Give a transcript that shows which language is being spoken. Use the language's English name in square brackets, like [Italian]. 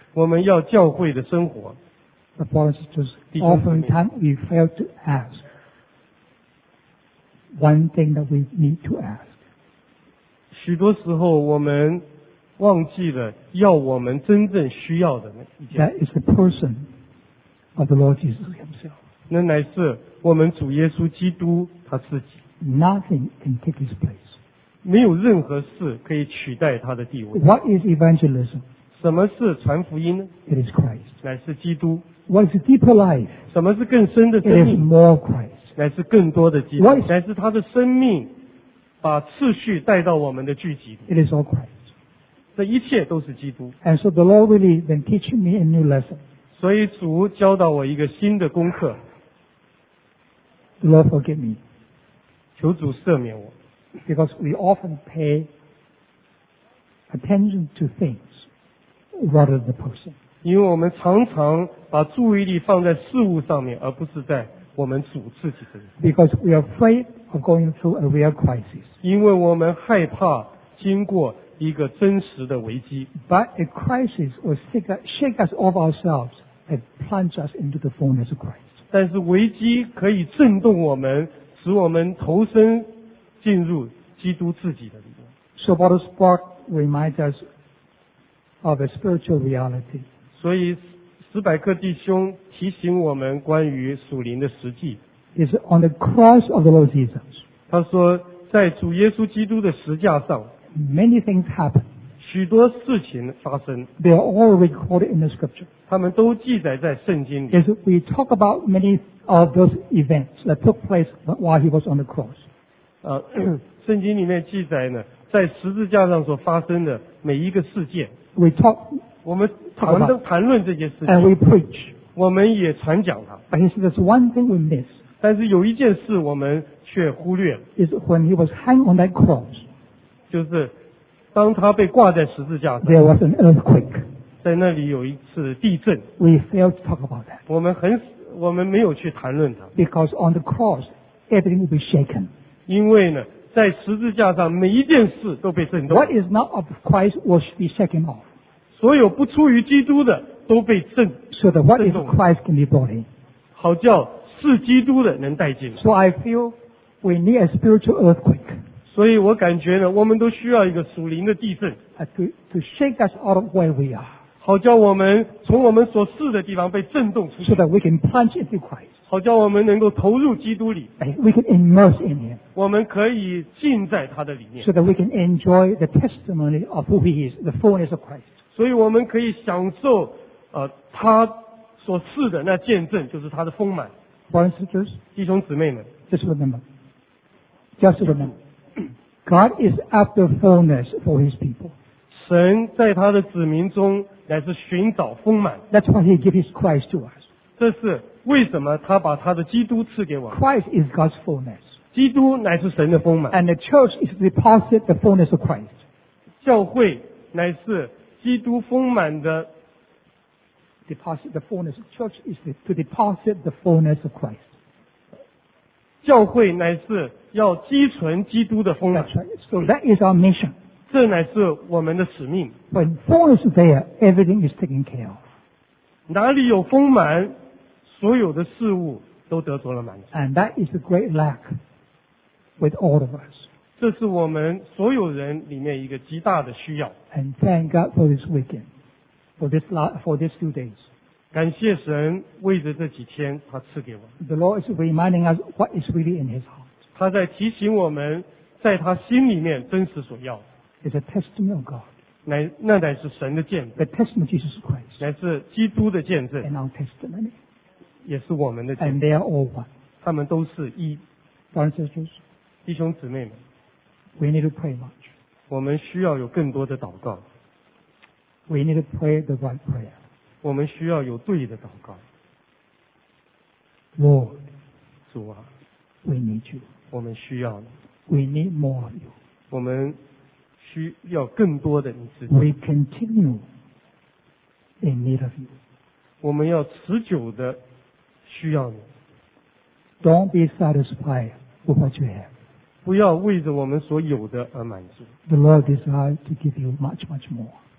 [Chinese] 我们要教会的生活。 [English] But often times we fail to ask. one thing that we need to ask. [Chinese] 许多时候我们忘记了要我们真正需要的那一件。 [English] That is the person of the Lord Jesus himself. [Chinese] 那乃是我们主耶稣基督他自己。 [English] Nothing can take his place. [Chinese] 没有任何事可以取代他的地位。 [English] What is evangelism? [Chinese] 什么是传福音呢？ [English] It is Christ. [Chinese] 乃是基督。 [English] What is a deeper life? [Chinese] 什么是更深的真理？ [English] It is more Christ. [Chinese] 乃是更多的基督。 [English] What is... [Chinese] 乃是他的生命把次序带到我们的聚集里。 [English] It is all Christ. [Chinese] 这一切都是基督。 [English] And so the Lord really been teaching me a new lesson. [Chinese] 所以主教导我一个新的功课。 [English] The Lord forgive me. [Chinese] 求主赦免我。 [English] Because we often pay attention to things rather than the person. [Chinese] 因为我们常常把注意力放在事物上面，而不是在我们主自己身上。 [English] Because we are afraid of going through a real crisis. [Chinese] 因为我们害怕经过一个真实的危机。 [English] But a crisis will shake us off ourselves and plunge us into the fullness of Christ. [Chinese] 但是危机可以震动我们，使我们投身进入基督自己的里面。 [English] So about a spark reminds us of a spiritual reality. [Chinese] 所以斯百克弟兄提醒我们关于属灵的实际。 [English] It's on the cross of the Lord Jesus. [Chinese] 他说在主耶稣基督的十架上。 [English] Many things happen. [Chinese] 许多事情发生。 [English] They are all recorded in the scripture. [Chinese] 他们都记载在圣经里。 [English] As we talk about many of those events that took place while he was on the cross. [Chinese] 圣经里面记载呢，在十字架上所发生的每一个事件。 [English] We talk. [Chinese] 我们谈论这些事情。 [English] And we preach. [Chinese] 我们也传讲它。 [English] But he said there's one thing we miss. [Chinese] 但是有一件事我们却忽略了。 [English] Is when he was hanged on that cross. [Chinese] 就是当他被挂在十字架上 [English] There was an earthquake. [Chinese] 在那里有一次地震 [English] We failed to talk about that. [Chinese] 我们没有去谈论它 [English] Because on the cross, everything will be shaken. [Chinese] 因为呢在十字架上每一件事都被震动 [English] What is not of Christ will be shaken off. [Chinese] 所有不出于基督的都被震动 [English] So that what is Christ can be brought in. [Chinese] 好叫是基督的能带进来 [English] So I feel we need a spiritual earthquake. [Chinese] 所以我感觉呢，我们都需要一个属灵的地震 [English] to shake us out of where we are， [Chinese] 好叫我们从我们所视的地方被震动出去 [English] ，so that we can plunge into Christ， [Chinese] 好叫我们能够投入基督里 [English] ，we can immerse in Him， [Chinese] 我们可以浸在他的里面 [English] ，so that we can enjoy the testimony of who He is， the fullness of Christ， [Chinese] 所以我们可以享受他所视的那见证，就是他的丰满。 [English] Brothers and sisters， [Chinese] 弟兄姊妹们 [English] ，just remember。 God is after fullness for His people. [Chinese] 神在他的子民中乃是寻找丰满。 [English] That's why He gave His Christ to us. [Chinese] 这是为什么他把他的基督赐给我们。 [English] Christ is God's fullness. [Chinese] 基督乃是神的丰满。 [English] And the church is deposit the fullness of Christ. [Chinese] 教会乃是基督丰满的。 [English] Deposit the fullness. Church is to deposit the fullness of Christ. [Chinese] 教会乃是要积存基督的丰满。 [English] That's right. So that is our mission. [Chinese] 这乃是我们的使命。 [English] When fullness is there, everything is taken care of. [Chinese] 哪里有丰满，所有的事物都得着了满足。 [English] And that is a great lack with all of us. [Chinese] 这是我们所有人里面一个极大的需要。 [English] And thank God for this weekend, for this few days. [Chinese] 感谢神为着这几天他赐给我们。 [English] The Lord is reminding us what is really in His heart. [Chinese] 他在提醒我们在他心里面真实所要的。 [English] It's a testimony of God. [Chinese] 那乃是神的见证。 [English] The testimony of Jesus Christ. [Chinese] 乃是基督的见证。 [English] And our testimony. [Chinese] 也是我们的见证。 [English] And they are all one. [Chinese] 他们都是一。 [English] Brothers and sisters. [Chinese] 弟兄姊妹们。 [English] We need to pray much. [Chinese] 我们需要有更多的祷告。 [English] We need to pray the right prayer. [Chinese] 我们需要有对的祷告。 [English] Lord, [Chinese] 主啊 [English] ，We need you. [Chinese] 我们需要你。 [English] We need more of you. [Chinese] 我们需要更多的你自己。 [English] We continue in need of you. [Chinese] 我们要持久的需要你。 [English] Don't be satisfied with what you have. [Chinese] 不要为着我们所有的而满足。 [English] The Lord desires to give you much, much more.